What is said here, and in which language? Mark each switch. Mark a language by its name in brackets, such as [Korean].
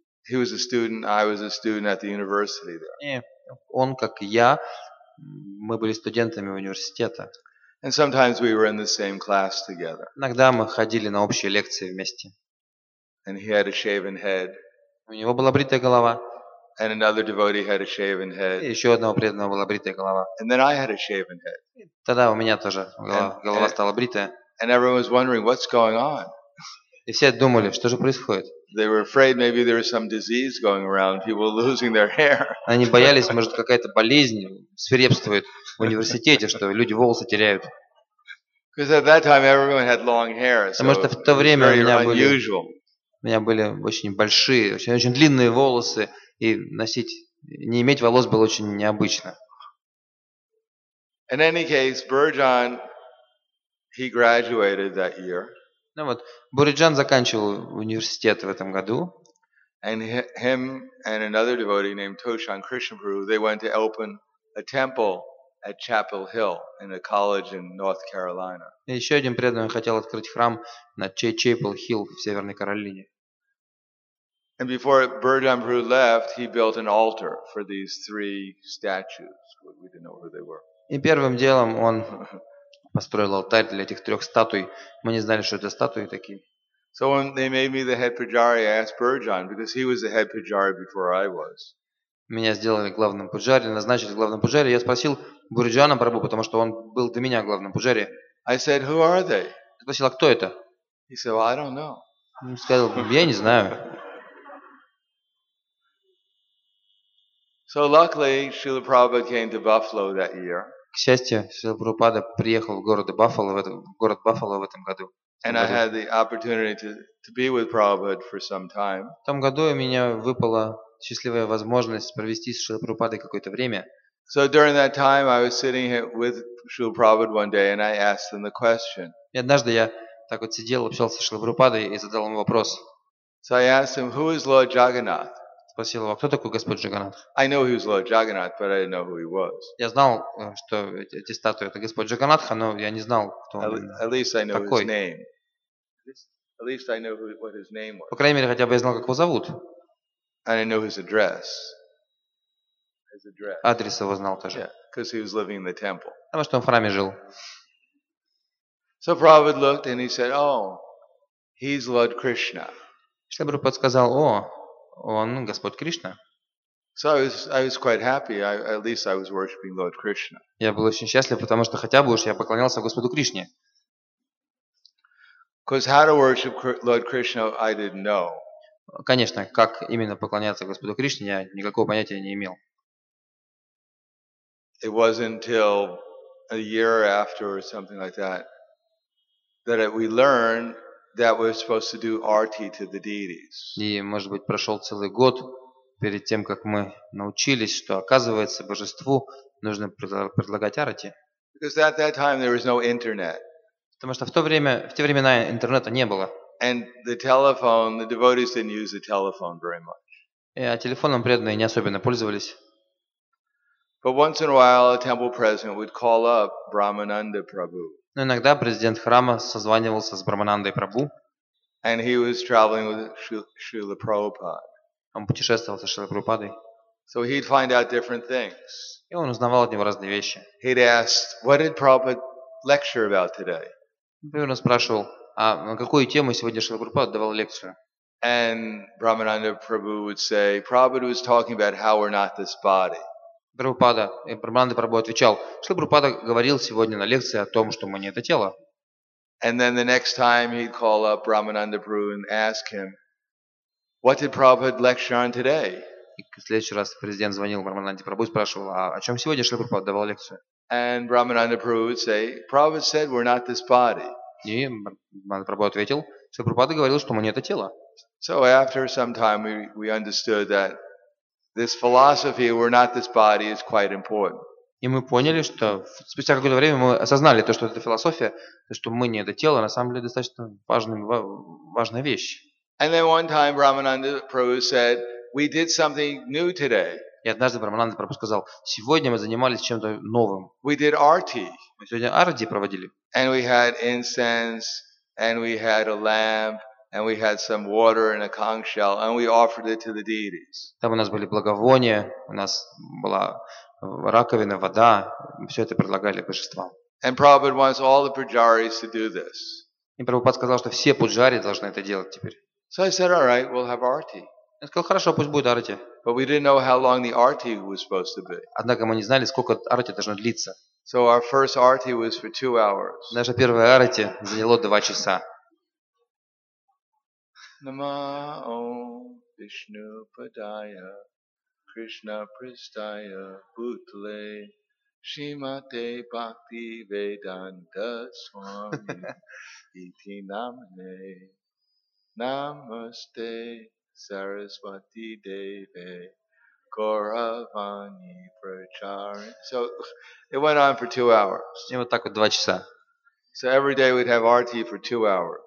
[English] I was a student at the university there. [Russian] И он, как и я, мы были студентами университета. [English] And sometimes we were in the same class together. [Russian] Иногда мы ходили на общие лекции вместе. [English] And he had a shaven head. [Russian] У него была бритая голова. [English] And another devotee had a shaven head. [Russian] И еще одного преданного была бритая голова. [English] And then I had a shaven head. [Russian] И тогда у меня тоже голова стала бритая. [English] And everyone was wondering what's going on. [Russian] И все думали, что же происходит. [English] They were afraid maybe there was some disease going around, people losing their hair. [Russian] Они боялись, может, какая-то болезнь свирепствует в университете, что люди волосы теряют. [English] Because at that time everyone had long hair. [Russian] Потому что в то время у меня были очень большие, очень, очень длинные волосы, и носить, не иметь волос было очень необычно. [English] In any case, Burjan, he graduated that year. [Russian] Ну вот, Бурджан заканчивал университет в этом году. [English] And him and another devotee named Toshan Krishnaprabhu, they went to open a temple at Chapel Hill in a college in North Carolina. [Russian] И еще один преданный хотел открыть храм на Chapel Hill в Северной Каролине. [English] And before Burjan Prabhu left, he built an altar for these three statues. We didn't know who they were. [Russian] И первым делом он построил алтарь для этих трех статуй. Мы не знали, что это статуи такие. [English] So when they made me the head pujari, I asked Burjan, because he was the head pujari before I was. [Russian] Меня сделали главным пуджари, назначили главным пуджари. Я спросил Бурджана Прабху, потому что он был до меня главным пуджари. [English] I said, who are they? [Russian] Спросил, а кто это? [English] He said, well, I don't know. [Russian] Он сказал, я не знаю. [English] So luckily, Srila Prabhupada came to Buffalo that year. [Russian] К счастью, Шрила Прабхупада приехал в город Баффало в этом году. [English] And I had the opportunity to be with Prabhupada for some time. [Russian] В том году у меня выпала счастливая возможность провести с Шрилой Прабхупадой какое-то время. [English] So during that time, I was sitting with Srila Prabhupada one day, and I asked him the question. [Russian] И однажды я так вот сидел, общался с Шрилой Прабхупадой и задал ему вопрос. [English] So I asked him, who is Lord Jagannath? [Russian] Спросил его, кто такой Господь Джаганат? [English] I knew he was Lord Jagannath, but I didn't know who he was. [Russian] Я знал, что эти статуи это Господь Джаганатха, но я не знал, кто он. [English] At least I know his name. At least I know what his name was. [Russian] По крайней мере, хотя бы я знал, как его зовут. [English] And I knew his address. His address. [Russian] Адрес его знал тоже. [English] Yeah, because he was living in the temple. [Russian] Потому что он в храме жил. [English] So Prabhupada looked and he said, "Oh, he's Lord Krishna." [Russian] Шрила Прабхупада сказал, о. Он Господь Кришна. [English] So I was quite happy. At least I was worshiping Lord Krishna. [Russian] Я был очень счастлив, потому что хотя бы уж я поклонялся Господу Кришне. [English] Because how to worship Lord Krishna, I didn't know. [Russian] Конечно, как именно поклоняться Господу Кришне, я никакого понятия не имел. [English] It wasn't until a year after or something like that that we learned. That we're supposed to do arti to the deities. [Russian] И, может быть, прошел целый год перед тем, как мы научились, что оказывается божеству нужно предлагать арти. [English] Because at that time there was no internet. [Russian] Потому что в те времена интернета не было. [English] And the telephone, the devotees didn't use the telephone very much. [Russian] И телефоном преданные не особенно пользовались. [English] But once in a while, a temple president would call up Brahmananda Prabhu. [Russian] Но иногда президент храма созванивался с Брахманандой Прабху. [English] And he was traveling with Srila Prabhupada. [Russian] Он путешествовал со Шрилой Прабхупадой. [English] So he'd find out different things. [Russian] И он узнавал от него разные вещи. [English] He'd asked, what did Prabhupada lecture about today? [Russian] Например, он спрашивал, а на какую тему сегодня Шрила Прабхупада давал лекцию? [English] And Brahmananda Prabhu would say, Prabhupada was talking about how we're not this body. [Russian] Брахмананда Прабху отвечал, что Шрила Прабхупада говорил сегодня на лекции о том, что мы не это тело. [English] And then the next time he'd call up Brahmananda Prabhu and ask him, what did Prabhupada lecture on today? [Russian] И в следующий раз президент звонил Брамананде Прабху и спрашивал, а о чем сегодня Шрила Прабхупада давал лекцию? [English] And Brahmananda Prabhu would say, Prabhupada said, we're not this body. [Russian] И Брамананда Прабху ответил, Шрила Прабхупада говорил, что мы не это тело. [English] So after some time we understood that this philosophy, we're not this body, is quite important. [Russian] И мы поняли, что спустя какое-то время мы осознали то, что эта философия, то, что мы не это тело, на самом деле достаточно важная вещь. [English] And then one time Brahmananda Prabhu said, we did something new today. [Russian] И однажды Брамананда Прабху сказал, сегодня мы занимались чем-то новым. [English] We did arti. [Russian] Мы сегодня арти проводили. [English] And we had incense, and we had a lamp, and we had some water in a conch shell, and we offered it to the deities. [Russian] Там у нас были благовония, у нас была раковина, вода, все это предлагали божествам. [English] And Prabhupada wants all the pujaris to do this. [Russian] И Прабхупад сказал, что все пуджари должны это делать теперь. [English] So I said, all right, we'll have arti. [Russian] Я сказал, хорошо, пусть будет арти. [English] But we didn't know how long the arti was supposed to be. [Russian] Однако мы не знали, сколько арти должно длиться. [English] So our first arti was for 2 hours. [Russian] Наша первая арти заняла 2 часа. [Sanskrit] Нама Ом Вишну Падая Кришна Пристая Бутле Шимате Бхакти Веданта Свами Ити Намне Намасте Saraswati Deve Gauravani Prachari. [English] So it went on for 2 hours. [Russian] И вот так вот 2 часа. [English] So every day we'd have arti for 2 hours.